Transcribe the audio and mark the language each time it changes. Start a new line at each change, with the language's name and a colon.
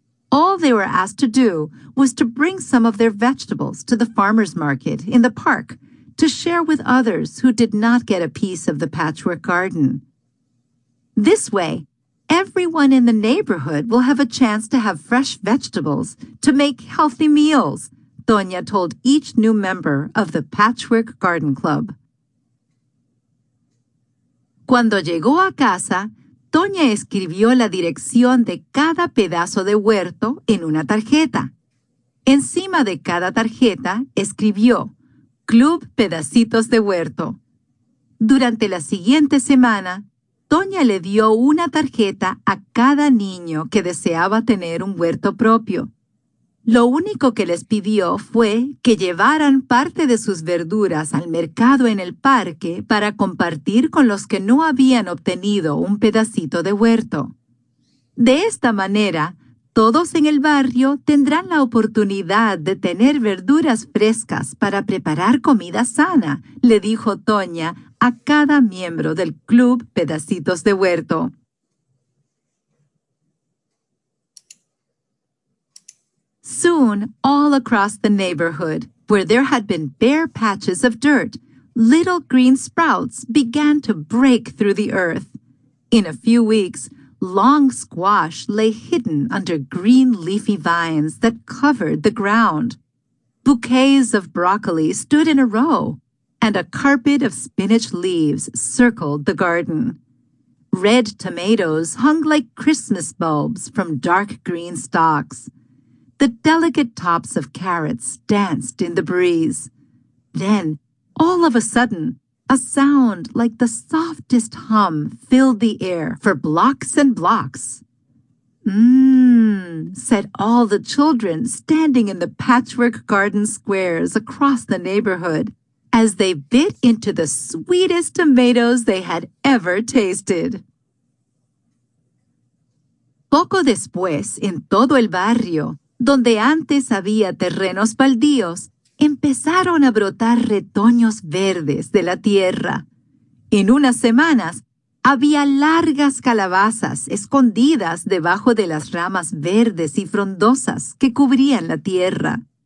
English: All they were asked to do was to bring some of their vegetables to the farmer's market in the park to share with others who did not get a piece of the patchwork garden. This way, everyone in the neighborhood will have a chance to have fresh vegetables to make healthy meals, Doña told each new member of the Patchwork Garden Club.
Spanish: Cuando llegó a casa, Doña escribió la dirección de cada pedazo de huerto en una tarjeta. Encima de cada tarjeta escribió Club Pedacitos de Huerto. Durante la siguiente semana, Doña le dio una tarjeta a cada niño que deseaba tener un huerto propio. Lo único que les pidió fue que llevaran parte de sus verduras al mercado en el parque para compartir con los que no habían obtenido un pedacito de huerto. De esta manera, todos en el barrio tendrán la oportunidad de tener verduras frescas para preparar comida sana, le dijo Doña a cada miembro del Club Pedacitos de Huerto.
English: Soon, all across the neighborhood, where there had been bare patches of dirt, little green sprouts began to break through the earth. In a few weeks, long squash lay hidden under green leafy vines that covered the ground. Bouquets of broccoli stood in a row, and a carpet of spinach leaves circled the garden. Red tomatoes hung like Christmas bulbs from dark green stalks. The delicate tops of carrots danced in the breeze. Then, all of a sudden, a sound like the softest hum filled the air for blocks and blocks. "Mmm," said all the children standing in the patchwork garden squares across the neighborhood as they bit into the sweetest tomatoes they had ever tasted.
Spanish: Poco después, en todo el barrio, donde antes había terrenos baldíos, empezaron a brotar retoños verdes de la tierra. En unas semanas, había largas calabazas escondidas debajo de las ramas verdes y frondosas que cubrían la tierra.